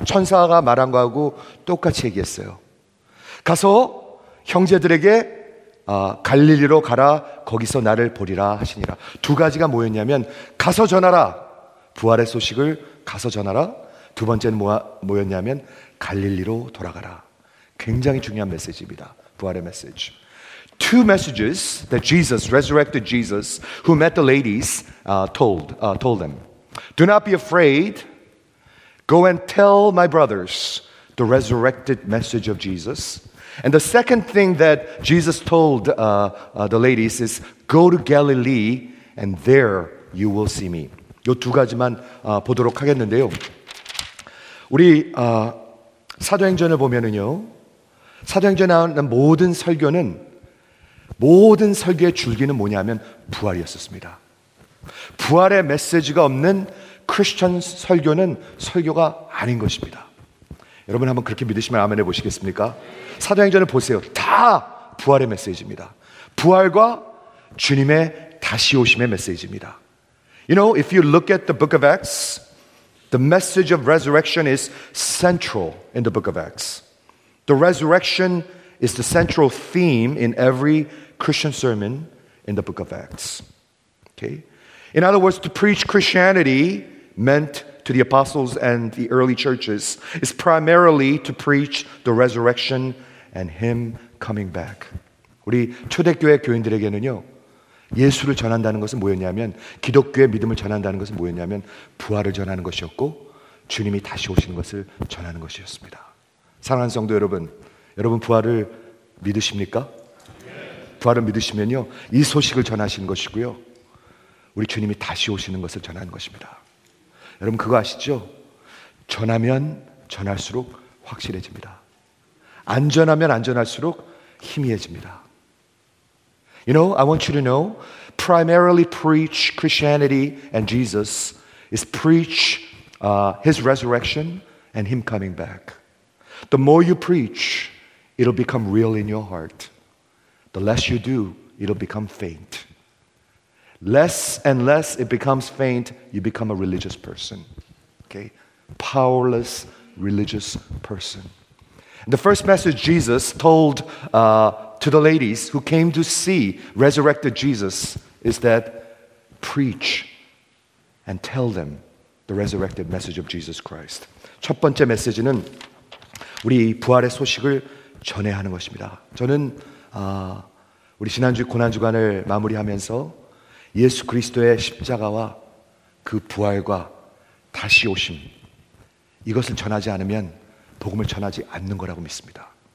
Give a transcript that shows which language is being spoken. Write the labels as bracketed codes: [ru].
[ko] 천사가 말한 거하고 똑같이 얘기했어요. 가서 형제들에게 갈릴리로 가라. 거기서 나를 보리라 하시니라. 두 가지가 뭐였냐면 가서 전하라. 부활의 소식을 가서 전하라. 두 번째는 뭐였냐면 갈릴리로 돌아가라. 굉장히 중요한 메시지입니다. 부활의 메시지. [en] Two messages that Jesus, resurrected Jesus, who met the ladies, told them. Do not be afraid. Go and tell my brothers the resurrected message of Jesus. And the second thing that Jesus told the ladies is, go to Galilee and there you will see me. [ko] 요 두 가지만 보도록 하겠는데요. 우리 사도행전을 보면은요, 사도행전에 나오는 모든 설교는, 모든 설교의 줄기는 뭐냐면 부활이었습니다. 부활의 메시지가 없는 크리스천 설교는 설교가 아닌 것입니다. 여러분 한번 그렇게 믿으시면 아멘해 보시겠습니까? 사도행전을 보세요. 다 부활의 메시지입니다. 부활과 주님의 다시 오심의 메시지입니다. [en] You know, if you look at the book of Acts, the message of resurrection is central in the book of Acts. The resurrection is the central theme in every Christian sermon in the book of Acts. Okay? In other words, to preach Christianity meant to the apostles and the early churches is primarily to preach the resurrection and him coming back. [ko] 우리 초대교회 교인들에게는요, 예수를 전한다는 것은 뭐였냐면, 기독교의 믿음을 전한다는 것은 뭐였냐면 부활을 전하는 것이었고 주님이 다시 오시는 것을 전하는 것이었습니다. 사랑하는 성도 여러분, 여러분 부활을 믿으십니까? 부활을 믿으시면요, 이 소식을 전하시는 것이고요, 우리 주님이 다시 오시는 것을 전하는 것입니다. 여러분 그거 아시죠? 전하면 전할수록 확실해집니다. 안 전하면 안 전할수록 희미해집니다. [en] You know, I want you to know, primarily preach Christianity and Jesus is preach his resurrection and him coming back. The more you preach, it'll become real in your heart. The less you do, it'll become faint. Less and less it becomes faint, you become a religious person. Okay? Powerless religious person. The first message Jesus told to the ladies who came to see resurrected Jesus is that preach and tell them the resurrected message of Jesus Christ. [ko] 첫 번째 메시지는 우리 부활의 소식을 전해야 하는 것입니다. 저는 우리 지난주 고난주간을 마무리하면서 예수 그리스도의 십자가와 그 부활과 다시 오심, 이것을 전하지 않으면 복음을 전하지 않는 거라고 믿습니다.